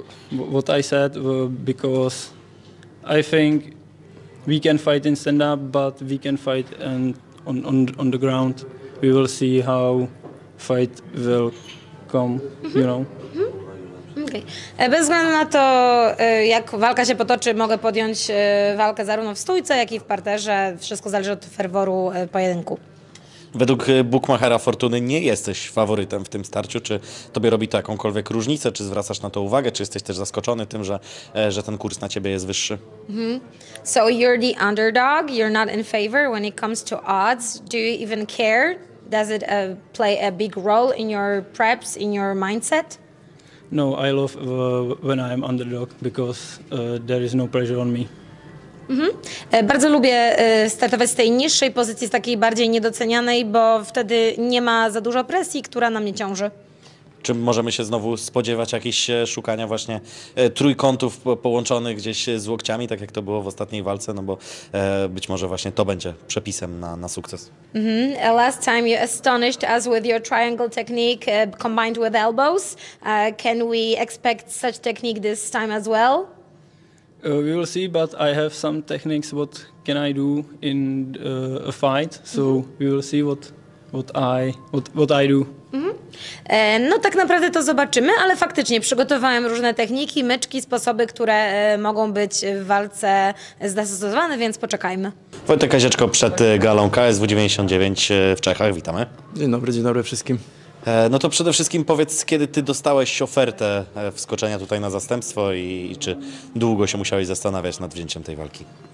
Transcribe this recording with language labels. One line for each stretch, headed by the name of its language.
English: What I said, because I think we can fight in stand-up, but we can fight and on the ground. We will see how fight will come, you know. Okay.
Polish: Bez względu na to, jak walka się potoczy, mogę podjąć walkę zarówno w stójce, jak i w parterze. Wszystko zależy od ferworu pojedynku. Według bukmachera Fortuny nie jesteś faworytem w tym starciu. Czy tobie robi to jakąkolwiek różnicę? Czy zwracasz na to uwagę? Czy jesteś też zaskoczony tym, że ten kurs na ciebie jest wyższy?
English: Mm-hmm. So you're the underdog. You're not in favor when it comes to odds. Do you even care? Does it play a big role in your preps, in your mindset? No, I love when I'm underdog because there is no pressure on me. Mm-hmm.
Polish: Bardzo lubię startować z tej niższej pozycji, z takiej bardziej niedocenianej, bo wtedy nie ma za dużo presji, która na mnie ciąży. Czy możemy się znowu spodziewać jakichś szukania właśnie trójkątów połączonych gdzieś z łokciami, tak jak to było w ostatniej walce, no bo być może właśnie to będzie przepisem na sukces. Mm-hmm.
English: Last time you astonished us with your triangle technique combined with elbows. Can we expect such technique this time as well? We will see, but I have some techniques what can I do in a fight, so we will see what I do. Mm-hmm.
Polish: No tak naprawdę to zobaczymy, ale faktycznie przygotowałem różne techniki, myczki, sposoby, które mogą być w walce zastosowane, więc poczekajmy. Wojtek Kasiaczko przed galą KSW-99 w Czechach, witamy. Dzień dobry wszystkim. No to przede wszystkim powiedz, kiedy ty dostałeś ofertę wskoczenia tutaj na zastępstwo i czy długo się musiałeś zastanawiać nad wzięciem tej walki?